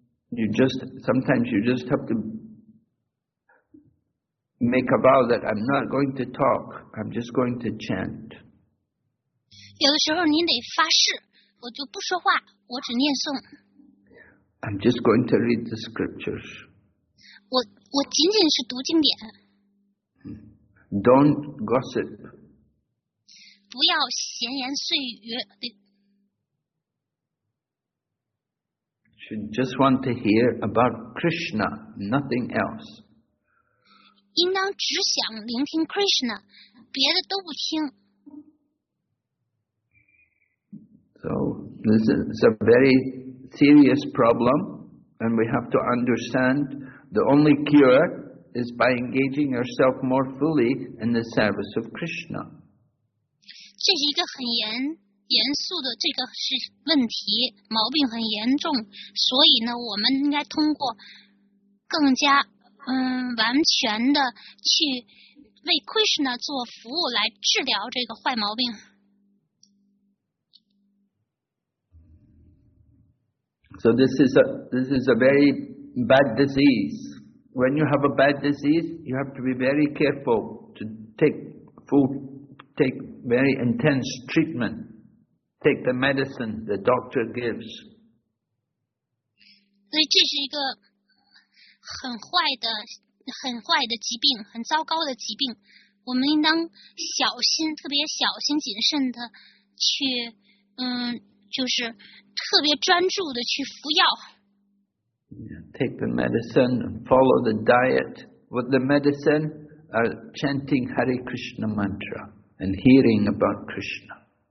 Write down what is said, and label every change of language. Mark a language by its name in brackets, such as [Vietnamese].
[English] Sometimes you just have to make a vow that I'm not going to talk, I'm just going to chant. [Chinese] 有的时候您得发誓，我就不说话，我只念诵。 [English] I'm just going to read the scriptures. [Chinese] 我仅仅是读经典。 [English] Don't gossip. [Chinese] 不要闲言碎语。 [English] Should just want to hear about Krishna, nothing else. [Chinese] 应当只想聆听 Krishna, 别的都不听。 [English] So this is a very serious problem, and we have to understand the only cure is by engaging yourself more fully in the service of Krishna. [Chinese] 这是一个很严肃的这个是问题，毛病很严重，所以呢，我们应该通过更加完全的去为 Krishna 做服务来治疗这个坏毛病。 [English] So this is a very bad disease. When you have a bad disease, you have to be very careful to take very intense treatment. Take the medicine the doctor gives. [Chinese] 所以这是一个很坏的疾病，很糟糕的疾病。我们应当小心，特别小心谨慎的去就是特别专注的去服药。 [English] Take the medicine and follow the diet with the medicine, chanting Hare Krishna mantra and hearing about Krishna.